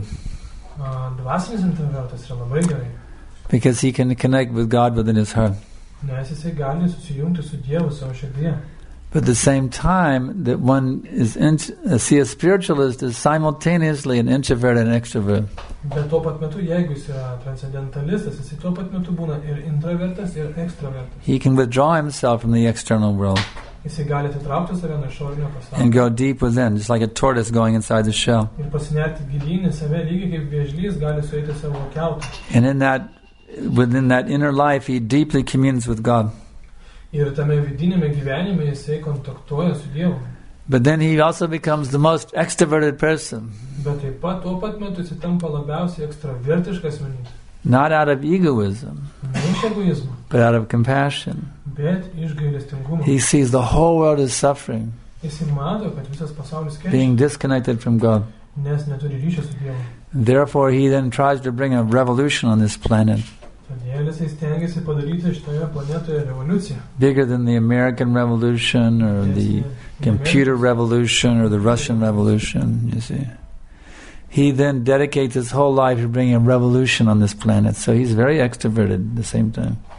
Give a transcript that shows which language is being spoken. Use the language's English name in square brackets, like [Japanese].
[Lithuanian] Dvasinis introvertas yra labai gerai. [English] Because he can connect with God within his heart. [Lithuanian] Nes jisai gali susijungti su Dievu savo širdyje. [English] But at the same time that one is see a spiritualist is simultaneously an introvert and extrovert. [Lithuanian] Bet tuo pat metu, jeigu jis yra transcendentalistas, jisai tuo pat metu būna ir introvertas, ir ekstrovertas. [English] He can withdraw himself from the external world. [Lithuanian] Jisai gali atitraukti save nuo išorinio pasaulio. [English] And go deep within, just like a tortoise going inside the shell. [Lithuanian] Ir pasinerti gilyn į save, lygiai kaip vėžlys gali sueiti savo kiautą. [English] And within that inner life, he deeply communes with God. [Lithuanian] Ir tame vidiniame gyvenime jisai kontaktuoja su Dievu. [English] But then he also becomes the most extroverted person. [Lithuanian] Bet taip pat tuo pat metu jisai tampa labiausiai ekstravertiškas asmenybė. [English] Not out of egoism, but out of compassion. [Lithuanian] Bet iš gailestingumo. [English] He sees the whole world is suffering, [Lithuanian] jis mato, kad visas pasaulis kenčia, [English] being disconnected from God. [Lithuanian] Nes neturi ryšio su Dievu. [English] Therefore, he then tries to bring a revolution on this planet. [Lithuanian] Todėl jisai stengiasi padaryti šitoje planetoje revoliuciją. [English] Bigger than the American Revolution or the computer revolution or the Russian revolution, you see. He then dedicates his whole life to bringing a revolution on this planet. So he's very extroverted at the same time.